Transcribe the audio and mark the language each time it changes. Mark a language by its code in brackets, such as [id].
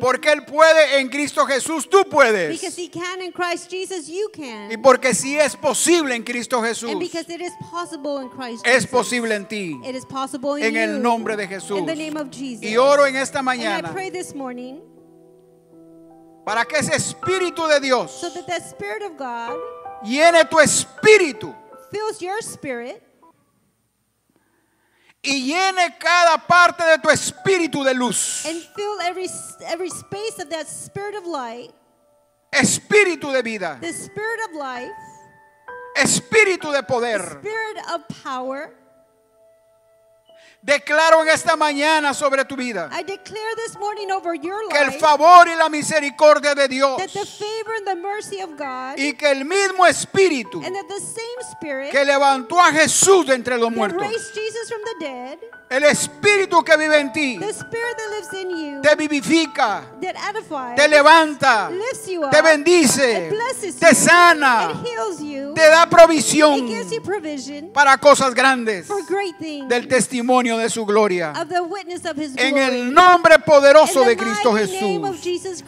[es] Porque Él puede en Cristo Jesús, tú puedes. [en] Because he can in Christ Jesus, you can. [es] Y porque si es posible en Cristo Jesús, [en] and because it is possible in Christ [es] es posible en ti. [en] It is possible in [es] en el [en] you, [es] nombre de Jesús [en] in the name of Jesus. [es] Y oro en esta mañana [en] and I pray this morning, [es] para que ese Espíritu de Dios [en] so that the Spirit of God [es] llene tu espíritu [en] fills your spirit, [es] y llene cada parte de tu espíritu de luz [en] and fill every space of that Spirit of light, [es] espíritu de vida, [en] the Spirit of life, [es] espíritu de poder, [en] the Spirit of power. [es] Declaro en esta mañana sobre tu vida [en] I declare this morning over your life, [es] que el favor y la misericordia de Dios [en] that the favor and the mercy of God, [es] y que el mismo Espíritu [en] and that the same Spirit, [es] que levantó a Jesús de entre los muertos [en] raised Jesus from the dead, [es] el Espíritu que vive en ti [en] the Spirit that lives in you, [es] te vivifica [en] that edifies, [es] te levanta [en] lifts you up, [es] te bendice [en] it blesses [es] te [en] you, [es] sana [en] it heals you, [es] te da provisión [en] it gives you provision, [es] para cosas grandes [en] for great things, [es] del testimonio de su gloria [en] of the witness of his glory, [es] en el nombre poderoso de Cristo Jesús.